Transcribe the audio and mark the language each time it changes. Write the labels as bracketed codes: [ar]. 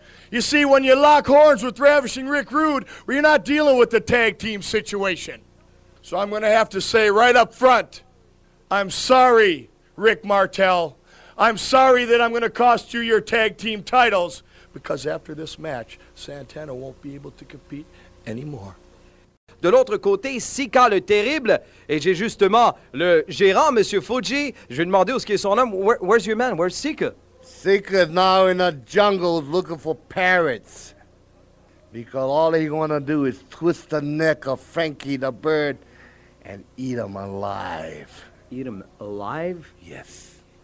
[en] You see, when you lock horns with Ravishing Rick Rude, well, you're not dealing with the tag team situation. So I'm going to have to say right up front, I'm sorry, Rick Martel. I'm sorry that I'm going to cost you your tag team titles, because after this match, Santana won't be able to compete anymore. [fr] De l'autre côté, Sika le Terrible, et j'ai justement le gérant, M. Fuji. Je vais demander où est son homme. [en] Where's your man? Where's Sika? Sika is now in a jungle looking for parrots, because all he's going to do is twist the neck of Frankie the Bird and eat him alive. Eat him alive? Yes.